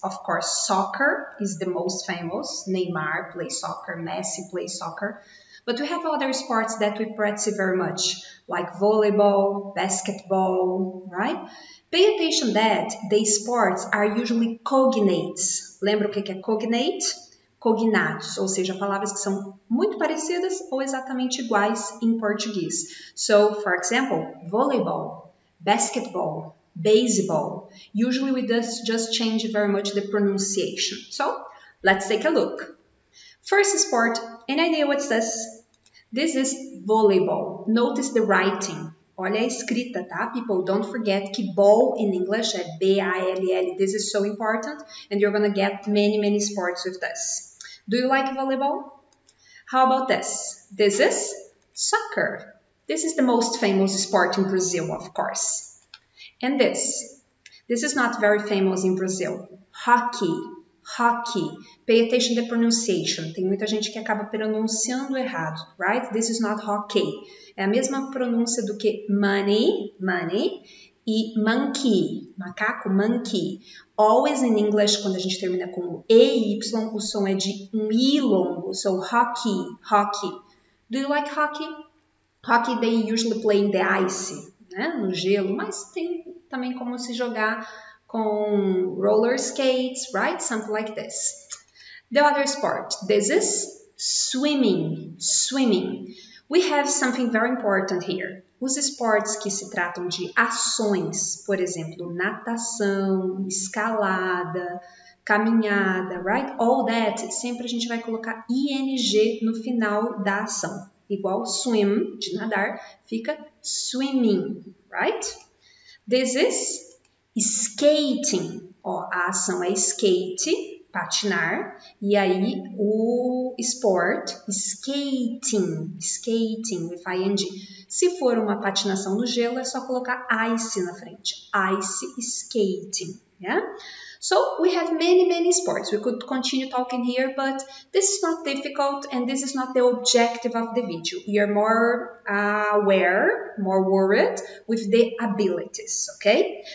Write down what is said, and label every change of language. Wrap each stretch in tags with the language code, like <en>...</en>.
<en>Of course, soccer is the most famous. Neymar plays soccer, Messi plays soccer. But we have other sports that we practice very much, like volleyball, basketball, right? Pay attention that these sports are usually cognates.</en> <pt>Lembra o que é cognate? Cognatos, ou seja, palavras que são muito parecidas ou exatamente iguais em português.</pt> <en>So, for example, volleyball, basketball, baseball. Usually we just change very much the pronunciation. So, let's take a look. First sport, any idea what's this? This is volleyball. Notice the writing.</en> <pt>Olha a escrita, tá?</pt> <en>People, don't forget</en> <pt>que</pt> <en>ball in English é B-I-L-L. This is so important and you're gonna get many, many sports with this. Do you like volleyball? How about this? This is soccer. This is the most famous sport in Brazil, of course. And this. This is not very famous in Brazil. Hockey. Hockey. Pay attention to the pronunciation.</en> <pt>Tem muita gente que acaba pronunciando errado, right?</pt> <en>This is not hockey.</en> <pt>É a mesma pronúncia do que money, money, e monkey, macaco, monkey.</pt> <en>Always in English,</en> <pt>quando a gente termina com E-Y, o som é de um I longo.</pt> <en>So, hockey, hockey. Do you like hockey? Hockey, they usually play in the ice,</en> <pt>né? No gelo, mas tem também como se jogar com roller skates,</pt> <en>right? Something like this. The other sport, this is swimming. Swimming. We have something very important here.</en> <pt>Os esportes que se tratam de ações, por exemplo, natação, escalada, caminhada, right?</pt> <en>All that,</en> <pt>sempre a gente vai colocar ing no final da ação. Igual swim, de nadar, fica swimming,</pt> <en>right? This is skating,</en> <pt>ó, a ação é skate, patinar, e aí o</pt> <en>sport, skating, skating, with ing.</en> <pt>Se for uma patinação no gelo, é só colocar ice na frente, ice skating,</pt> <en>yeah? So, we have many, many sports. We could continue talking here, but this is not difficult and this is not the objective of the video. We are more aware, more worried with the abilities, okay?</en>